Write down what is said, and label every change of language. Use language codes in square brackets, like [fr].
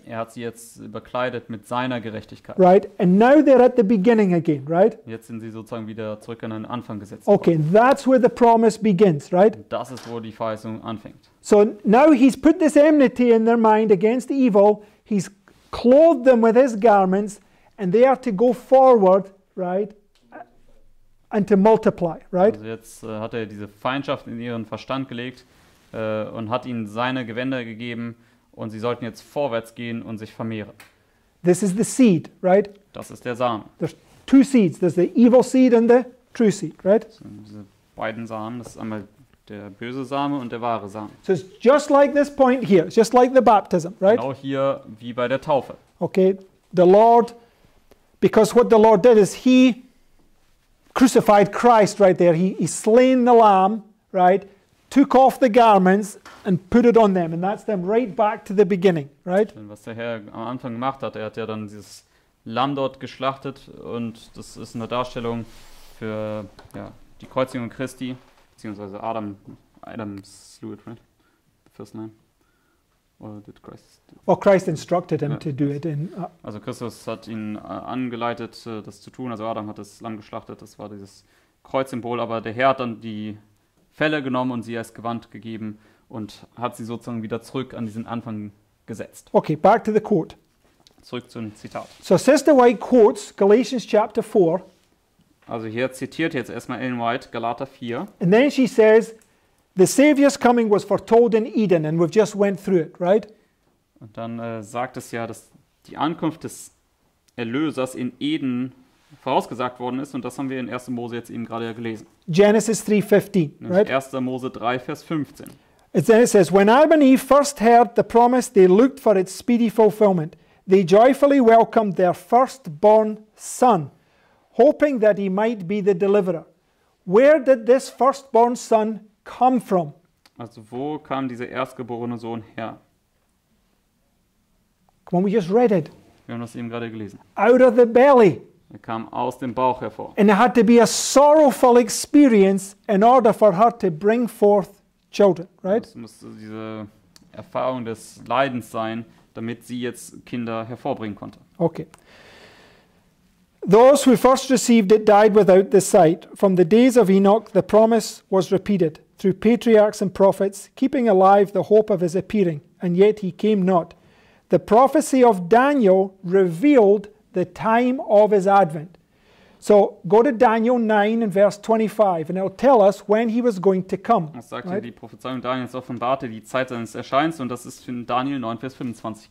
[de] Er hat sie jetzt bekleidet mit seiner Gerechtigkeit. [en] Right, and now they're at the beginning again, right? [de] Jetzt sind sie sozusagen wieder zurück an den Anfang gesetzt. [en] Okay, that's where the promise begins, right? [de] Und das ist, wo die Verheißung anfängt. [en] So now he's put this enmity in their mind against evil. He's clothed them with his garments, and they are to go forward, right? And to multiply, right? [de] Also jetzt hat er diese Feindschaft in ihren Verstand gelegt. Und hat ihnen seine Gewänder gegeben und sie sollten jetzt vorwärts gehen und sich vermehren. [en] This is the seed, right? [de] Das ist der Samen. [en] There's two seeds. There's the evil seed and the true seed, right? [de] So diese beiden Samen. Das ist einmal der böse Same und der wahre Samen. [en] So it's just like this point here. It's just like the baptism, right? [de] Genau hier wie bei der Taufe. [en] Okay, the Lord, because what the Lord did is he crucified Christ right there. He slain the Lamb, right? Took off the garments and put it on them, and that's them right back to the beginning, right? [de] Und was der Herr am Anfang gemacht hat, er hat ja dann dieses Lamm dort geschlachtet und das ist eine Darstellung für die Kreuzigung Christi beziehungsweise Adam's [en] slew it, right? The first name. Or did Christ? Well, Christ instructed him to do it. [de] Also Christus hat ihn angeleitet, das zu tun. Also Adam hat das Lamm geschlachtet. Das war dieses Kreuzsymbol, aber der Herr hat dann die Felle genommen und sie als Gewand gegeben und hat sie sozusagen wieder zurück an diesen Anfang gesetzt. [en] Okay, back to the quote. [de] Zurück zum Zitat. [en] So Sister White quotes Galatians chapter 4. [de] Also hier zitiert jetzt erstmal Ellen White Galater 4. [en] And then she says, The Savior's coming was foretold in Eden, and we've just went through it, right? [de] Und dann sagt es ja, dass die Ankunft des Erlösers in Eden vorausgesagt worden ist, und das haben wir in 1. Mose jetzt eben gerade ja gelesen. [en] Genesis 3:15, right? [de] 1. Mose 3, Vers 15. [en] It then says, when Adam and Eve first heard the promise, they looked for its speedy fulfillment. They joyfully welcomed their firstborn son, hoping that he might be the deliverer. Where did this firstborn son come from? [de] Also wo kam dieser erstgeborene Sohn her? [en] Come on, we just read it. [de] Wir haben das eben gerade gelesen. [en] Out of the belly. [de] Er kam aus dem Bauch hervor. [en] And it had to be a sorrowful experience in order for her to bring forth children, right? [de] Es musste diese Erfahrung des Leidens sein, damit sie jetzt Kinder hervorbringen konnte. [en] Okay. Those who first received it died without the sight. From the days of Enoch, the promise was repeated through patriarchs and prophets, keeping alive the hope of his appearing, and yet he came not. The prophecy of Daniel revealed the time of his advent. So go to Daniel 9 and verse 25, and it'll tell us when he was going to come. [de] Das sagt ja, die Prophezeiung Daniels offenbarte die Zeit seines Erscheins, und das ist in Daniel 9, Vers 25.